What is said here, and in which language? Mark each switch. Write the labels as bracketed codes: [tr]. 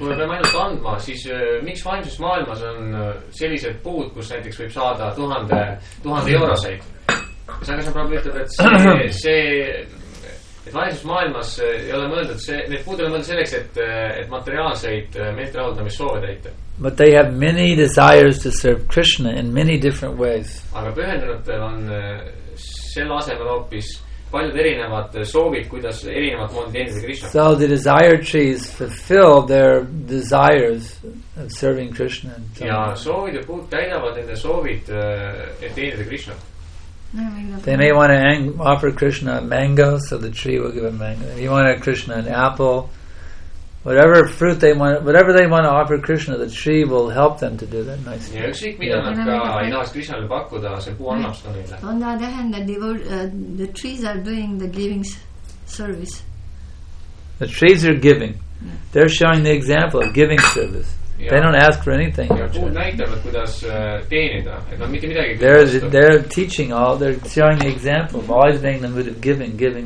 [et] Kui me peame ainult andma, siis miks vaimses maailmas on sellised puud, kus näiteks võib saada tuhande euroseid? Aga sa praegu ütled, et et vaimses maailmas ei ole mõeldud, need puud ei ole mõeldud selleks, et materiaalseid meelt rahuldamist soove täita. [en] But they have many desires to serve Krishna in many different ways. [et] Aga pühendunutel on selle asemel hoopis paljud erinevad soovid, kuidas erinevad moodi teenida Krishna. [en] So the desire trees fulfill their desires of serving Krishna. [et] Ja soovid ja puud täidavad nende soovid, et teenida Krishna. [en] They may want to offer Krishna a mango, so the tree will give a mango. If you want to Krishna an apple, whatever fruit they want, whatever they want to offer Krishna, the tree will help them to do that nicely. [et] Yeah, ükskõik, mida nad ka ei taas Krishnale pakkuda, see puu annab seda neile. [en] On the other hand, the trees are doing the giving service. The trees are giving. They're showing the example of giving service. [et] Ja [en] they don't ask for anything. They're teaching all, they're showing the example of always being the mood of giving.